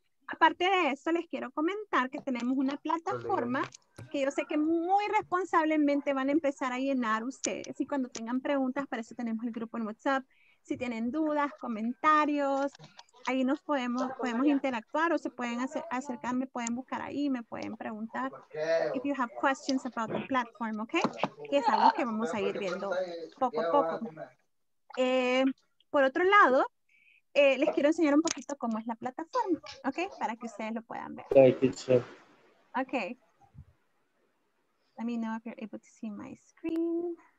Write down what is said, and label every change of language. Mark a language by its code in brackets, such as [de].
[es] Aparte de esto, les quiero comentar que tenemos una plataforma que yo sé que muy responsablemente van a empezar a llenar ustedes. Y cuando tengan preguntas, para eso tenemos el grupo en WhatsApp. Si tienen dudas, comentarios, ahí nos podemos interactuar o se pueden acercar, me pueden buscar ahí, me pueden preguntar. [en] If you have questions about the platform, okay? [es] Que es algo que vamos a ir viendo poco a poco. Por otro lado, les quiero enseñar un poquito cómo es la plataforma, ¿ok? Para que ustedes lo puedan ver. [en] Thank you, sir. Okay. Let me know if you're able to see my screen.